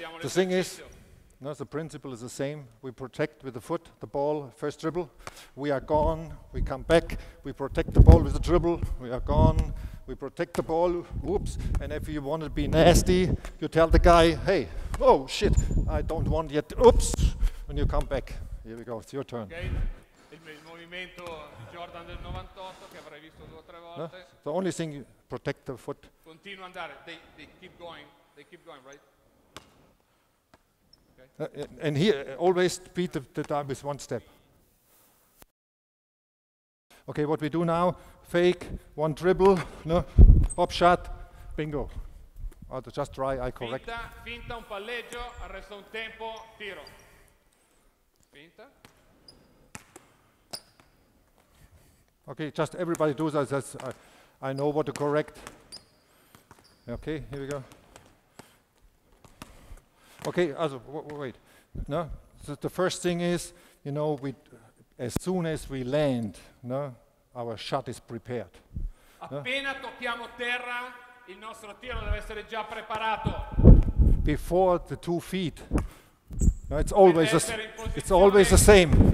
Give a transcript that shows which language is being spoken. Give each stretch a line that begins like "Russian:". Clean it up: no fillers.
English: The thing is, no, the principle is the same. We protect with the foot, the ball, first dribble. We are gone, we come back. We protect the ball with the dribble, we are gone. We protect the ball, whoops. And if you want to be nasty, you tell the guy, hey, oh shit, I don't want yet, oops. When you come back, here we go, it's your turn. Okay.
Italian: Il movimento Jordan del 98 che avrei visto due o tre volte.
English: No? The only thing, protect the foot. Continua andare, they keep going, right? Okay. And here, always beat the time with one step. Okay, what we do now, fake, one dribble, no, hop shot, bingo. Oh, just try, I correct.
Italian: Finta, un palleggio, arresto un tempo, tiro. Finta.
English: Okay, just everybody do that. That's, I know what to correct. Okay, here we go. Okay, also, wait. No, so the first thing is, you know, we as soon as we land, no, our shot is prepared.
Italian: Appena tocchiamo terra, il nostro tiro deve essere già preparato.
English: Before the 2 feet, no, it's always it's always the same.